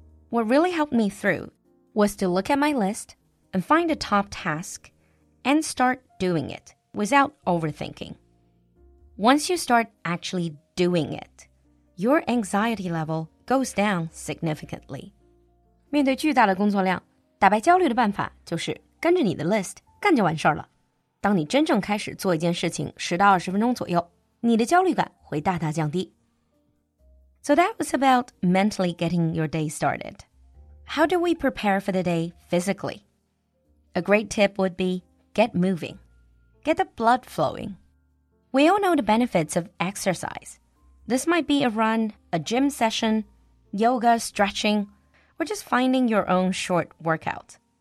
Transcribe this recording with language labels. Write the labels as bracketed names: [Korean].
[English] What really helped me through was to look at my list and find a top task and start doing it without overthinking. Once you start actually doing it, your anxiety level goes down significantly. [Chinese] 面对巨大的工作量，打败焦虑的办法就是跟着你的 list 干就完事了。当你真正开始做一件事情十到二十分钟左右，你的焦虑感会大大降低。 [English] So that was about mentally getting your day started. How do we prepare for the day physically? A great tip would be get moving. Get the blood flowing. We all know the benefits of exercise. This might be a run, a gym session, yoga, stretching, or just finding your own short workout.